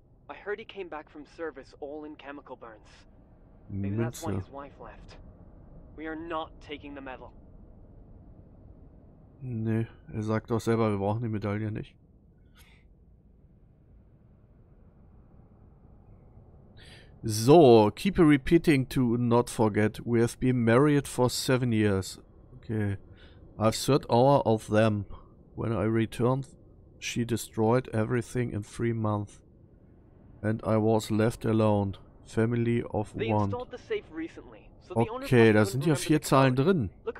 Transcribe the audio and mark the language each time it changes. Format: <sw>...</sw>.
<en>I heard he came back from service all in chemical burns. Maybe that's why his wife left. We are not taking the medal.</en> <de>Nee, er sagt doch selber, wir brauchen die Medaille nicht.</de> <en>So, keep repeating to not forget. We have been married for 7 years. Okay. I've served hour of them. When I returned, she destroyed everything in 3 months. And I was left alone. Family of one.</en> <de>Okay, da sind ja 4 Zahlen drin.</de>